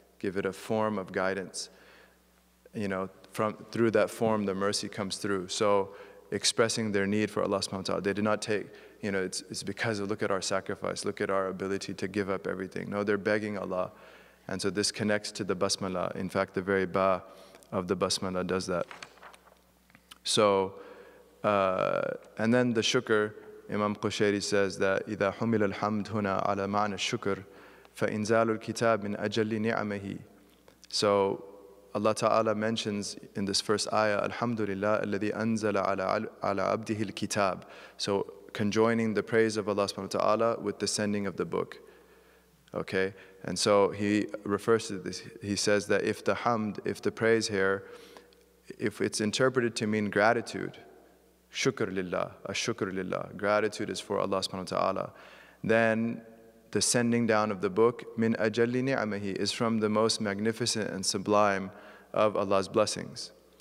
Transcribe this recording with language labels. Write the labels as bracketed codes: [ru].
[en] Give it a form of guidance. You know, through that form, the mercy comes through. So expressing their need for Allah subhanahu wa ta'ala, they did not take, you know, it's because of, look at our sacrifice, look at our ability to give up everything. No, they're begging Allah. And so this connects to the basmala. In fact, the very ba of the basmala does that. So, and then the shukr, Imam Qushayri says that, [ar] إِذَا حُمِلَ الْحَمْدُ هُنَا عَلَى مَعْنَى الشُّكْرِ فَإِنْزَالُ الْكِتَابِ مِنْ أَجَلِّ نِعْمَهِ. [en] So Allah Ta'ala mentions in this first ayah, Alhamdulillah, [ar] الَّذِي أَنْزَلَ عَلَى عَبْدِهِ الْكِتَابِ. [en] So conjoining the praise of Allah Subhanahu Wa Ta'ala with the sending of the book. Okay, and so he refers to this. He says that if the hamd, if the praise here, if it's interpreted to mean gratitude, shukr lillah, a shukr lillah, gratitude is for Allah Subhanahu Wa Ta'ala, then the sending down of the book, [ar] min ajalli ni'amahi, [en] is from the most magnificent and sublime of Allah's blessings.